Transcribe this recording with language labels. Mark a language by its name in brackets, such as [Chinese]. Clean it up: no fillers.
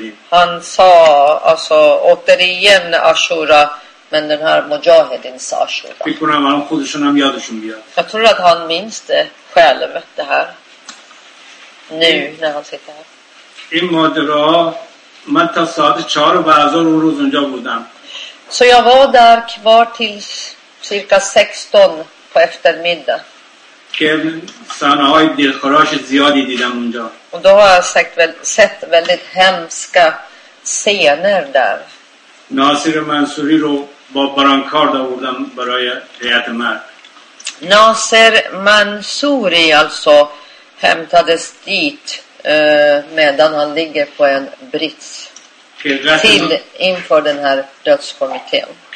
[Swedish] Han sa alltså återigen Ashura, men den här Mujahedins Ashura. Jag tror att han minns det själv, det här. Nu när han sitter här. [Persian] من تا ساعت 4 بعد از ظهر اون روز اونجا بودم. [Swedish] Så jag var där kvar till cirka 16 på eftermiddag. [Persian] که صحنه‌های دلخراش زیادی دیدم اونجا. [Swedish] Och då har jag sett väldigt hemska scener där. [Persian] ناصر منصوری رو با برانکارد آوردم برای هیئت مرگ. [Swedish] ناصر منصوری alltså hämtades dit medan han ligger på en brits till inför den här dödskommittén.